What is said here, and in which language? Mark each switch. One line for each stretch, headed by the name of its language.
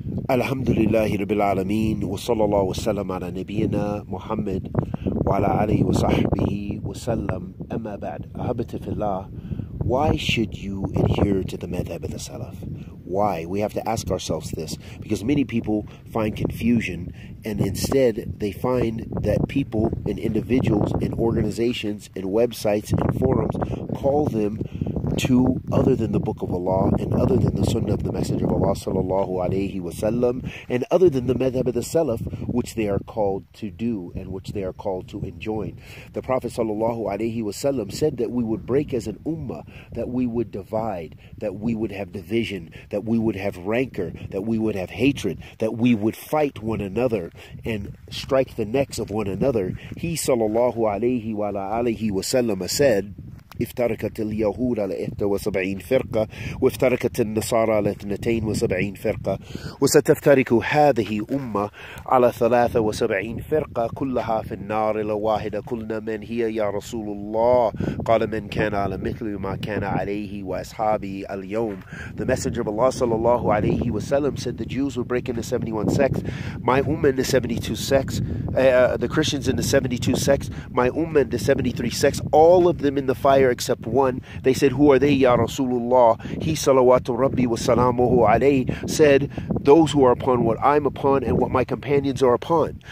Arabic: الحمد لله رب العالمين وصلى الله وسلم على نبينا محمد وعلى آله وصحبه وسلم أما بعد أحبتي في الله
English: Why should you adhere to the madhab of the Salaf? Why? We have to ask ourselves this because many people find confusion and instead they find that people and individuals and organizations and websites and forums call them to other than the Book of Allah and other than the Sunnah of the Messenger of Allah sallallahu alayhi wa sallam and other than the madhab of the Salaf, which they are called to do and which they are called to enjoin. The Prophet sallallahu alayhi wa sallam said that we would break as an ummah, that we would divide, that we would have division, that we would have rancor, that we would have hatred, that we would fight one another and strike the necks of one another. He sallallahu alayhi wa sallam said,
Arabic: افتركت اليهود على 71 فرقة وافتركت النصارى على 72 فرقة وستفترك هذه أمة على 73 فرقة كلها في النار الواحدة قلنا من هي يا رسول الله قال من كان على مثل ما كان عليه وأصحابي اليوم.
English: The Messenger of Allah
Arabic: صلى الله عليه وسلم
English: said the Jews will break into 71 sects, my Ummah in the 72 sects, the Christians in the 72 sects, my Ummah in the 73 sects, all of them in the fire except one. They said, who are they, Ya Rasulullah? He, salawatu Rabbi wa salamuhu alayhi, said, those who are upon what I'm upon and what my companions are upon.